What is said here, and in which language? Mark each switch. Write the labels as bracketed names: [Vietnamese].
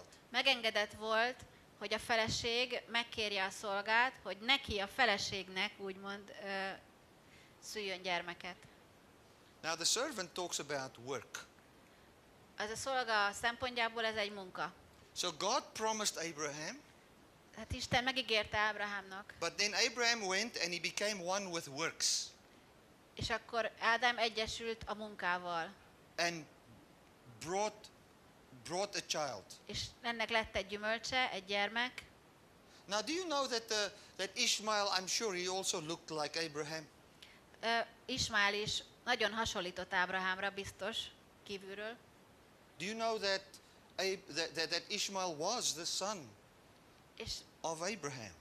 [Hungarian] megengedett volt, hogy a feleség megkérje a szolgát, hogy neki a feleségnek úgymond szüljön gyermeket. [English] Now the servant talks about work. [Hungarian] Az a szolga szempontjából ez egy munka. [English] So God promised Abraham. [Hungarian] Hát Isten megígérte Ábrahámnak. [English] But then Abraham went and he became one with works. [Hungarian] És akkor Ádám egyesült a munkával. [English] And brought a child. [Hungarian] És ennek lett egy gyümölcse, egy gyermek. [English] Now do you know that Ishmael, I'm sure he also looked like Abraham. [Hungarian] Ishmael is nagyon hasonlított Ábrahámra, biztos kívülről. [English] Do you know that Ishmael was the son of Abraham?